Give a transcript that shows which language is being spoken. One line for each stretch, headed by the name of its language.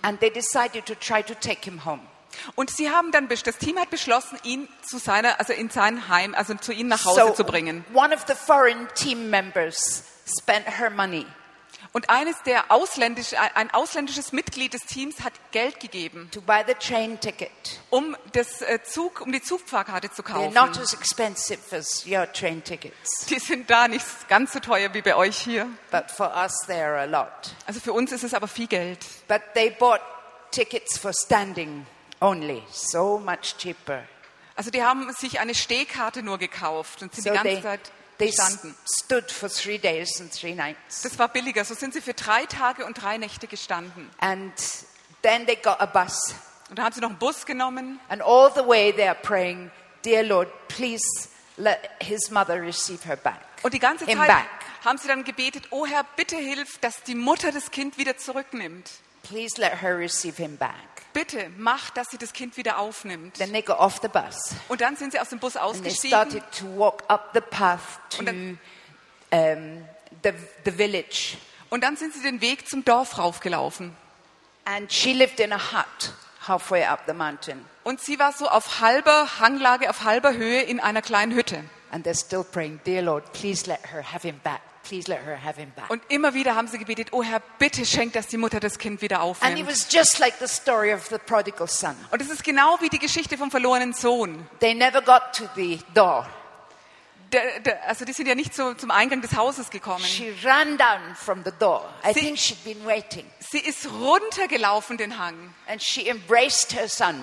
English: And they decided to try to take him home.
German: Und sie haben dann, das Team hat beschlossen, ihn zu seiner, also in sein Heim, also zu ihnen nach Hause zu bringen.
English: One of the foreign team members spent her money.
German: Und eines der ein ausländisches Mitglied des Teams hat Geld gegeben,
English: to buy the train ticket.
German: Um die Zugfahrkarte zu kaufen.
English: They're not as expensive as your train tickets.
German: Die sind da nicht ganz so teuer wie bei euch hier.
English: But for us they are a lot.
German: Also für uns ist es aber viel Geld.
English: But they bought tickets for standing only, so much cheaper.
German: Also die haben sich eine Stehkarte nur gekauft und sind so die ganze Zeit.
English: They stood for 3 days and 3 nights.
German: Das war billiger. So sind sie für 3 Tage und 3 Nächte gestanden.
English: And then they got a bus.
German: Und dann haben sie noch einen Bus genommen.
English: And all the way they are praying, dear Lord, please let his mother receive her back.
German: Und die ganze Zeit haben sie dann gebetet, oh Herr, bitte hilf, dass die Mutter das Kind wieder zurücknimmt.
English: Please let her receive him back.
German: Bitte mach, dass sie das Kind wieder aufnimmt.
English: Then they got off the bus.
German: Und dann sind sie aus dem Bus ausgestiegen.
English: And they started to walk up the path to the village.
German: Und dann sind sie den Weg zum Dorf raufgelaufen.
English: And she lived in a hut halfway up the mountain.
German: Und sie war so auf halber Hanglage, auf halber Höhe in einer kleinen Hütte.
English: And they're still praying, dear Lord, please let her have him back. Please let her have him back.
German: Und immer wieder haben sie gebetet, oh Herr, bitte schenk, dass die Mutter das Kind wieder aufnimmt.
English: And it was just like the story of the prodigal son.
German: Und es ist genau wie die Geschichte vom verlorenen Sohn.
English: They never got to the door.
German: Also die sind ja nicht so zum Eingang des Hauses gekommen.
English: She ran down from the door. I think she'd been waiting.
German: Sie ist runtergelaufen den Hang.
English: And she embraced her son.